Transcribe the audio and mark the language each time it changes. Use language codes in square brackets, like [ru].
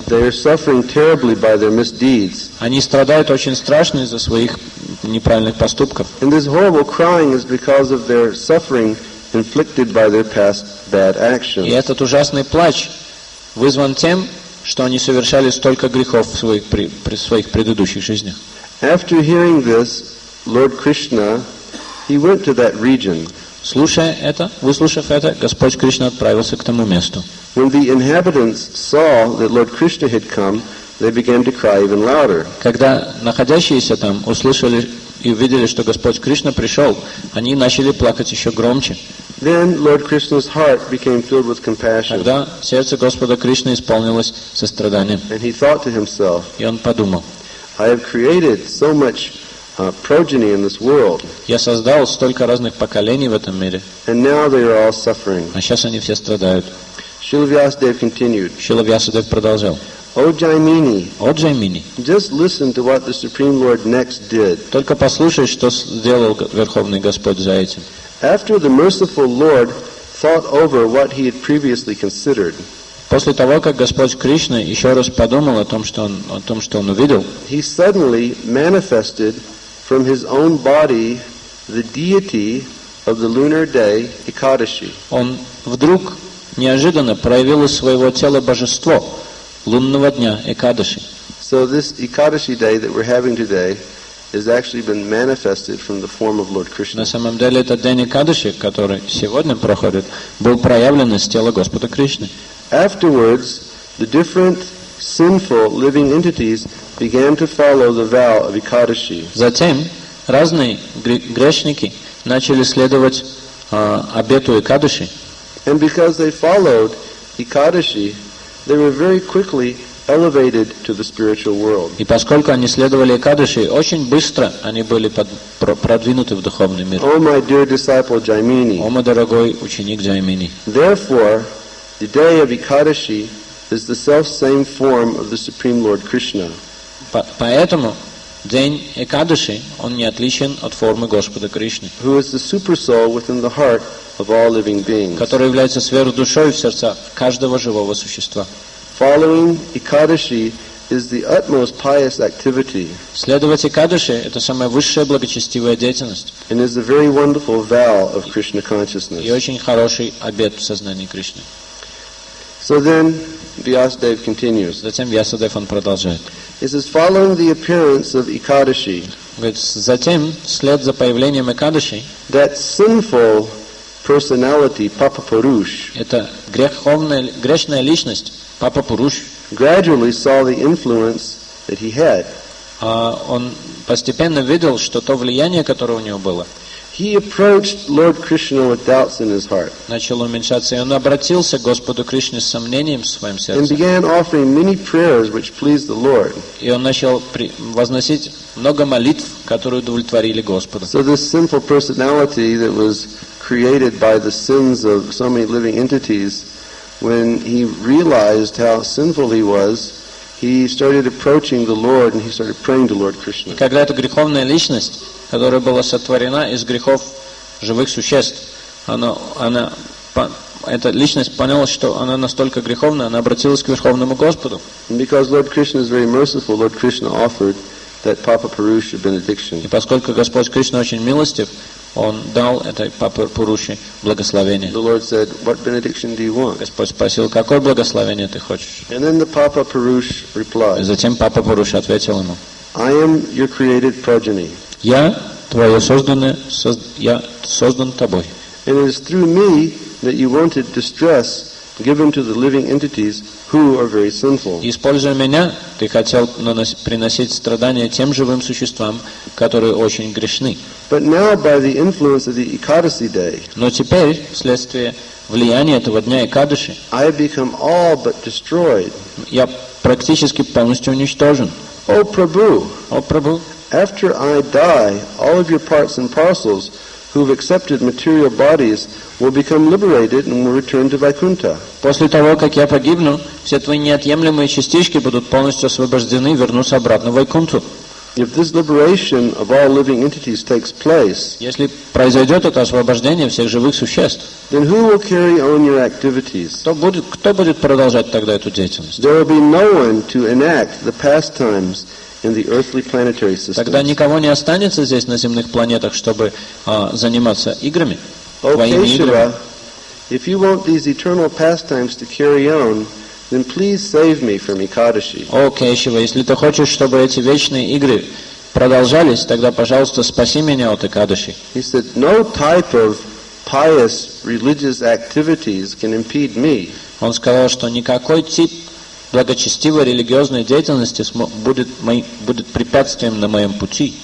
[en] They are suffering terribly by their misdeeds. [ru] Они страдают очень страшно из-за своих неправильных поступков. [en] And this horrible crying is because of their suffering inflicted by their past bad actions. [ru] И этот ужасный плач вызван тем, что они совершали столько грехов в своих предыдущих жизнях. [en] After hearing this, Lord Krishna, he went to that region. [ru] Выслушав это, Господь Кришна отправился к тому месту. [en] When the inhabitants saw that Lord Krishna had come, they began to cry even louder. [ru] Когда находящиеся там услышали и увидели, что Господь Кришна пришел, они начали плакать еще громче. [en] Then Lord Krishna's heart became filled with compassion. [ru] Тогда сердце Господа Кришны исполнилось состраданием. [en] And he thought to himself. [ru] И он подумал. [en] I have created so much progeny in this world. [ru] Я создал столько разных поколений в этом мире. [en] And now they are all suffering. [ru] А сейчас они все страдают. [en] Śrīla Vyāsadeva continued. [ru] Śrīla Vyāsadeva продолжал. [en] O Jaimini, just listen to what the Supreme Lord next did. [ru] Только послушай, что сделал Верховный Господь за этим. [en] After the merciful Lord thought over what he had previously considered. [ru] После того, как Господь Кришна ещё раз подумал о том, что он увидел, [en] he suddenly manifested from his own body the deity of the lunar day Ekadashi. [ru] Он вдруг неожиданно проявил из своего тела божество лунного дня Экадаши. [en] So this Ekadashi day that we're having today has actually been manifested from the form of Lord Krishna. [ru] На самом деле этот день Экадаши, который сегодня проходит, был проявлен из тела Господа Кришны. [en] Afterwards, the different sinful living entities began to follow the vow of Ekadashi. [ru] Затем разные грешники начали следовать обету Экадаши. [en] And because they followed Ekadashi, they were very quickly elevated to the spiritual world. [ru] И поскольку они следовали Экадаши, очень быстро они были продвинуты в духовный мир. [en] Oh, my dear disciple Jaimini. [ru] О, мой дорогой ученик Джаймини. [en] Therefore, the day of Ekadashi is the self-same form of the Supreme Lord Krishna. [ru] Поэтому день Экадаши, он не отличен от формы Господа Кришны. [en] Who is the super soul within the heart of all living beings. [ru] Который является сверхдушой в сердце каждого живого существа. [en] Following Ekadashi is the utmost pious activity. [ru] Следовать Экадаши – это самая высшая благочестивая деятельность. [en] And is a very wonderful vow of Krishna consciousness. [ru] И очень хороший обет в сознании Кришны. [en] So then, Vyasadeva continues. [ru] Затем Vyasadeva, он продолжает. [en] He says, following the appearance of Ekadashi, [ru] затем, вслед за появлением Экадаши, [en] that sinful personality, Papa Purush, [ru] это грешная личность, Папа Пуруш, [en] gradually saw the influence that he had. [ru] Он постепенно видел, что то влияние, которое у него было, [en] he approached Lord Krishna with doubts in his heart. [ru] Начал уменьшаться, и он обратился к Господу Кришне с сомнением в своем сердце. [en] And began offering many prayers which pleased the Lord. [ru] И он начал возносить много молитв, которые удовлетворили Господа. [en] So this sinful personality that was created by the sins of so many living entities, when he realized how sinful he was, he started approaching the Lord and he started praying to Lord Krishna. [ru] Когда эта греховная личность, которая была сотворена из грехов живых существ, эта личность поняла, что она настолько греховна, она обратилась к Верховному Господу. [en] Because Lord Krishna is very merciful, Lord Krishna offered that Papa Purusha benediction. [ru] И поскольку Господь Кришна очень милостив, он дал этой Папе Пуруше благословение. [en] The Lord said, "What benediction do you want?" [ru] Господь спросил, какое благословение ты хочешь? [en] And then the Papa Purush replied. [ru] Затем Папа Пуруша ответил ему. [en] I am your created progeny. [ru] Я твое созданное, я создан тобой. [en] And it is through me that you wanted distress given to the living entities who are very sinful. [ru] Используя меня, ты хотел приносить страдания тем живым существам, которые очень грешны. [en] But now by the influence of the Ekadashi day, [ru] но теперь, вследствие влияния этого дня Экадаши, [en] I have become all but destroyed. [ru] Я практически полностью уничтожен. [en] О, Прабху! [ru] О, Прабху! [en] After I die, all of your parts and parcels who have accepted material bodies will become liberated and will return to Vaikuntha. [ru] После того, как я погибну, все твои неотъемлемые частички будут полностью освобождены и вернутся обратно в Вайкунту. [en] If this liberation of all living entities takes place, [ru] если произойдет это освобождение всех живых существ, [en] then who will carry on your activities? [ru] Кто будет продолжать тогда эту деятельность? [en] There will be no one to enact the pastimes in the earthly planetary systems. [ru] Тогда никого не останется здесь на земных планетах, чтобы заниматься играми. [en] Okay, Shiva, if you want these eternal pastimes to carry on, then please save me from Ekadashi. Okay, [ru] Shiva, если ты хочешь, чтобы эти вечные игры продолжались, тогда, пожалуйста, спаси меня от Экадаши. [en] He said, no type of pious religious activities can impede me. [ru] Он сказал, что никакой тип благочестивой религиозной деятельности будет препятствием на моем пути.